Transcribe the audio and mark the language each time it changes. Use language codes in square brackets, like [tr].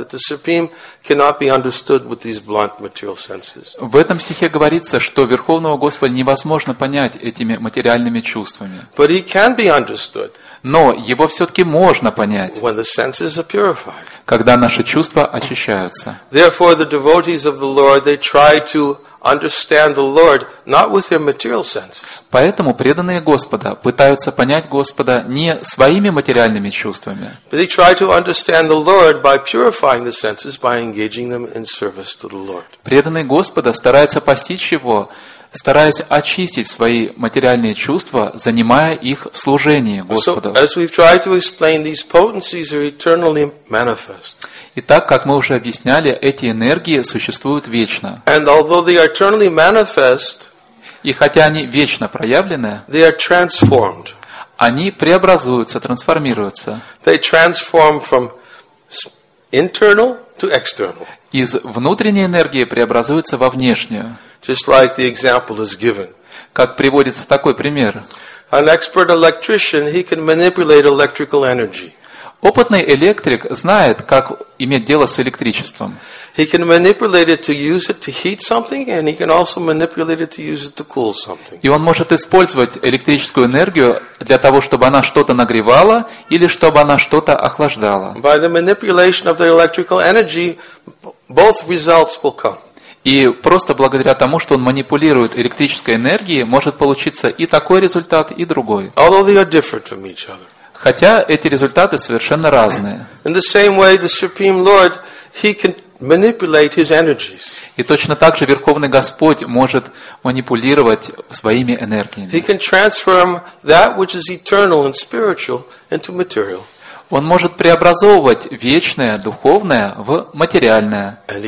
[en] That the Supreme cannot be understood with these blunt material senses. [ru] В этом стихе говорится, что Верховного Господа невозможно понять этими материальными чувствами. [en] But he can be understood. [ru] Но его все-таки можно понять. [en] When the senses are purified. [ru] Когда наши чувства очищаются. [en] Therefore, the devotees of the Lord, they try to understand the Lord not with their material senses. [ru] Поэтому преданные Господа пытаются понять Господа не своими материальными чувствами. [en] But they try to understand the Lord by purifying the senses by engaging them in service to the Lord. [ru] Преданные Господа стараются постичь его, стараясь очистить свои материальные чувства, занимая их в служении Господу. [en] So, as we've tried to explain, these potencies are eternally manifest. [ru] Итак, как мы уже объясняли, эти энергии существуют вечно. [en] And although they are eternally manifest, [ru] и хотя они вечно проявлены, [en] they are transformed. [ru] Они преобразуются, трансформируются. [en] They transform from internal to external. [ru] Из внутренней энергии преобразуются во внешнюю. [en] Just like the example is given. [ru] Как приводится такой пример. [en] An expert electrician, he can manipulate electrical energy. [ru] Опытный электрик знает, как иметь дело с электричеством. [en] He can manipulate it to use it to heat something, and he can also manipulate it to use it to cool something. [ru] И он может использовать электрическую энергию для того, чтобы она что-то нагревала или чтобы она что-то охлаждала. [en] By the manipulation of the electrical energy, both results will come. [ru] И просто благодаря тому, что он манипулирует электрической энергией, может получиться и такой результат, и другой. [en] Although they are different from each other. [ru] Хотя эти результаты совершенно разные. [en] In the same way, the Supreme Lord, he can manipulate his energies. [ru] И точно так же Верховный Господь может манипулировать своими энергиями. [en] He can transform that which is eternal and spiritual into material. [ru] Он может преобразовывать вечное, духовное в материальное.